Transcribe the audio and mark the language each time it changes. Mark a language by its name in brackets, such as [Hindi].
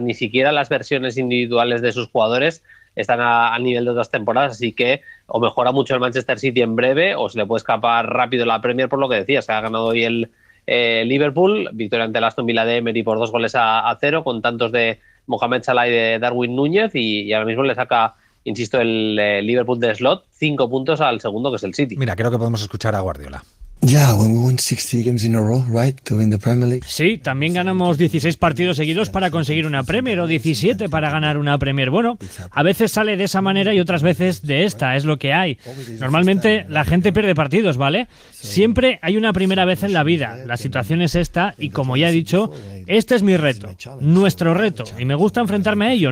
[Spanish] Ni siquiera las versiones individuales de sus jugadores están al nivel de otras temporadas, así que o mejora mucho el Manchester City en breve o se le puede escapar rápido la Premier, por lo que decías. Se ha ganado hoy el Liverpool, victoria ante el Aston Villa de Emery por 2-0, con tantos de Mohamed Salah y de Darwin Núñez, y ahora mismo le saca, insisto, el Liverpool de slot 5 puntos al segundo, que es el City. Mira, creo que podemos escuchar a Guardiola. [English] Yeah, when we won 60 games in a row, right, to win the Premier League. [Spanish] Sí, también ganamos 16 partidos seguidos para conseguir una Premier, o 17 para ganar una Premier. Bueno, a veces sale de esa manera y otras veces de esta, es lo que hay. Normalmente la gente pierde partidos, ¿vale? Siempre hay una primera vez en la vida. La situación es esta, y como ya he dicho, este es mi reto, nuestro reto, y me gusta enfrentarme a ello.